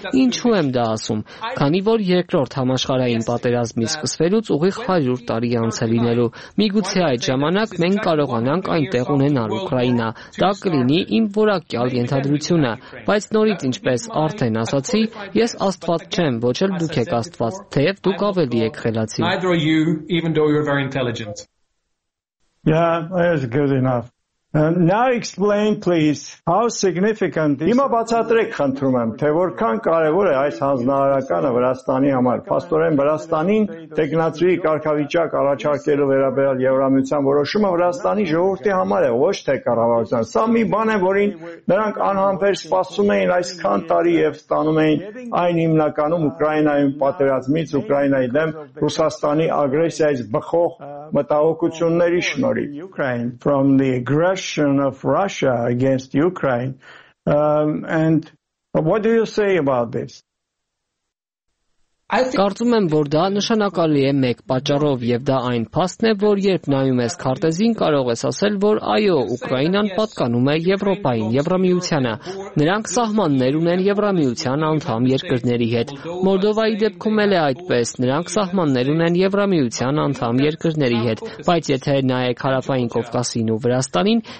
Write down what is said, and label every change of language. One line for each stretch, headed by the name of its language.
Armenian: Ինչու եմ դա ասում, քանի որ երկրորդ համաշխարհային պատերազմի սկսվելուց ուղիղ 100 տարի անց է լինելու։ Միգուցե այդ ժամանակ մենք կարողանանք այնտեղ ունենալ Ուկրաինա, դա կլինի իմ որակյալ ենթադրությունը, բայց նորից, ինչպես արդեն ասացի, ես Աստված չեմ, ոչ էլ դուք եք Աստված, թեև դուք ավելի եք խելացի։
English: Neither are you, even though you're very intelligent. Yeah, that's good enough. Now explain, please, how significant is.
Armenian: Հիմա բացատրեք, խնդրում եմ, թե որքան կարևոր է այս հանձնարարականը Վրաստանի համար, Պաստորեն, Վրաստանին տեղնացրի կարգավիճակ առաջարկելու վերաբերյալ Եվրամիության որոշումը Վրաստանի ժողովրդի համար է, ոչ թե կառավարության. Սա մի բան է, որին նրանք անհամբեր սպասում էին այսքան տարի և ստանում էին այն հիմնականում Ուկրաինայում պատերազմից, Ուկրաինայի դեմ Ռուսաստանի ագրեսիայից բխող մտահոգությունների շնորհիվ.
English: Aggression of Russia against Ukraine. And what do you say about this?
Armenian: Կարծում եմ, որ դա նշանակալի է մեկ պատճառով, եւ դա այն փաստն է, որ երբ նայում ես քարտեզին, կարող ես ասել, որ այո, Ուկրաինան պատկանում է Եվրոպային, Եվրամիությանը։ Նրանք սահմաններ ունեն Եվրամիության անդամ երկրների հետ։ Մոլդովայի դեպքում էլ է այդպես, նրանք սահմաններ ունեն Եվրամիության անդամ երկրների հետ։ Բայց եթե նայեք Հարավային Կովկասին ու Վրաստանին,